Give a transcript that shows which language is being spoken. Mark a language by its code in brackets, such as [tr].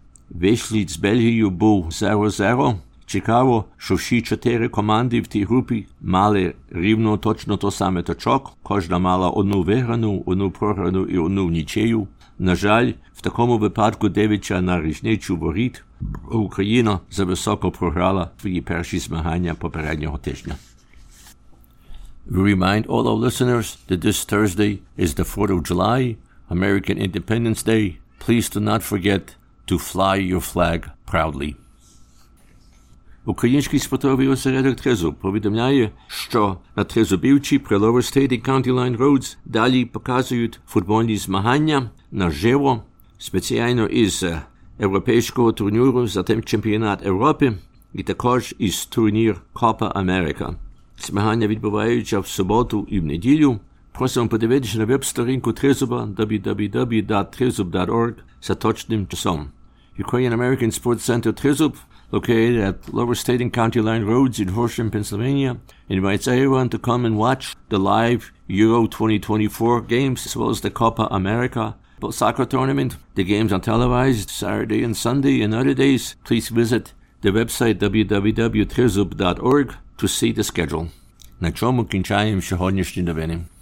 [uk] Вишліт з Бельгією був 0-0. Цікаво, що всі чотири команди в тій групі мали рівно точно то саме точок. Кожна мала одну виграну, одну програну і одну нічию. На жаль, в такому випадку, дивиться на різницю воріт, Україна зависоко програла свої перші змагання попереднього тижня. [en] Remind all our listeners that this Thursday is the 4th of July, American Independence Day. Please do not forget to fly your flag proudly. [uk] Український спортовий осередок Тризуб повідомляє, що на Тризубівці при Lower State і County Line Roads далі показують футбольні змагання наживо, спеціально із європейського турніру, затем чемпіонат Європи і також із турнір Копа Америка. Змагання відбуваються в суботу і в неділю. Просимо подивитися на веб-сторінку Тризуба www.trizub.org за точним часом. [en] Ukrainian American Sports Center Тризуб, located at Lower State and County Line Roads in Horsham, Pennsylvania, invites everyone to come and watch the live Euro 2024 games as well as the Copa America soccer tournament. The games are televised Saturday and Sunday and other days. Please visit the website www.trizub.org to see the schedule. [uk] На чому кінчаємо сьогоднішні новини.